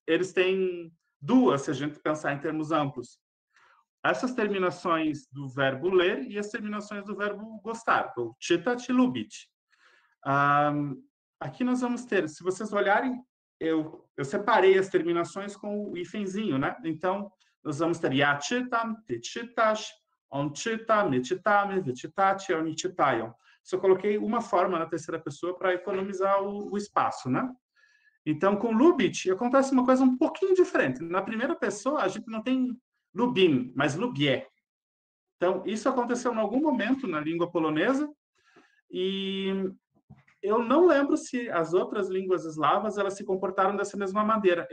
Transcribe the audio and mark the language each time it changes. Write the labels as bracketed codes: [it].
[pt] Eles têm 2, se a gente pensar em termos amplos. Essas terminações do verbo ler e as terminações do verbo gostar, ou [pl] czytać i lubić. [pt] Aqui nós vamos ter, se vocês olharem, eu separei as terminações com o hífenzinho, né? Então, nós vamos ter [pl] ja czytam, ty czytasz, on czyta, my czytamy, wy czytacie, oni czytają. [pt] Só coloquei uma forma na terceira pessoa para economizar o espaço, né? Então, com lubić acontece uma coisa um pouquinho diferente. Na primeira pessoa, a gente não tem lubim, mas lubię. Então, isso aconteceu em algum momento na língua polonesa e eu não lembro se as outras línguas eslavas elas se comportaram dessa mesma maneira.